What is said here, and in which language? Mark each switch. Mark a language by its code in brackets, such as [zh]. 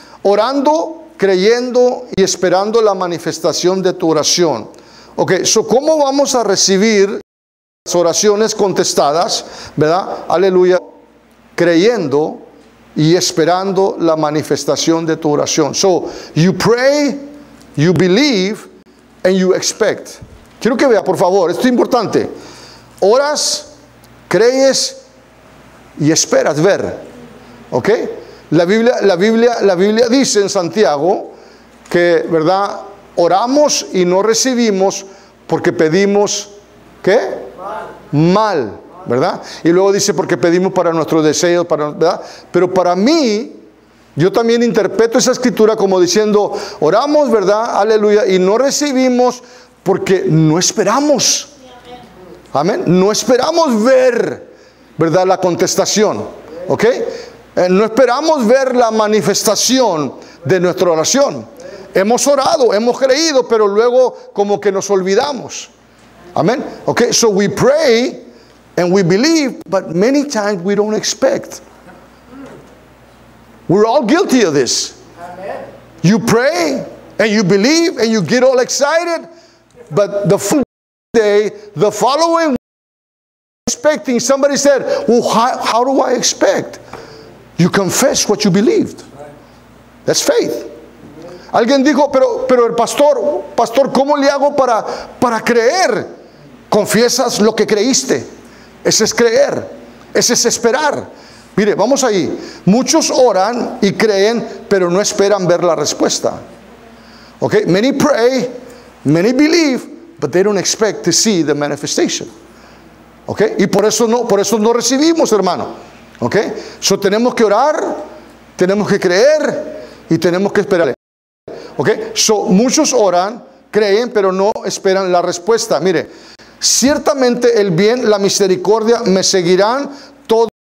[es] Orando, creyendo y esperando la manifestación de tu oración. Ok, so ¿cómo vamos a recibir las oraciones contestadas, verdad? Aleluya. Creyendo y esperando la manifestación de tu oración. [en] So, you pray, you believe, and you expect. [es] Quiero que vea, por favor, esto es importante. Oras, crees y esperas ver. Ok. La Biblia dice en Santiago que, ¿verdad? Oramos y no recibimos porque pedimos, ¿qué? Mal, ¿verdad? Y luego dice porque pedimos para nuestros deseos, para, ¿verdad? Pero para mí, yo también interpreto esa escritura como diciendo, oramos, ¿verdad? Aleluya, y no recibimos porque no esperamos. Amén. No esperamos ver, ¿verdad? La contestación, ¿ok? No esperamos ver la manifestación de nuestra oración. Hemos orado, hemos creído, pero luego como que nos olvidamos. Amén. [en] Okay, so we pray and we believe, but many times we don't expect. We're all guilty of this. Amen. You pray and you believe and you get all excited, but the following day, the following week, expecting. Somebody said, "Well, how do I expect?" You confess what you believed. That's faith. [es] Alguien dijo, pero el pastor, ¿cómo le hago para creer? Confiesas lo que creíste. Ese es creer. Ese es esperar. Mire, vamos ahí. Muchos oran y creen, pero no esperan ver la respuesta. [en] Okay? Many pray, many believe, but they don't expect to see the manifestation. [es] Okay? Y por eso no recibimos, hermano. ¿Ok? So tenemos que orar, tenemos que creer y tenemos que esperar. ¿Ok? So muchos oran, creen, pero no esperan la respuesta. Mire, ciertamente el bien, la misericordia me seguirán todos.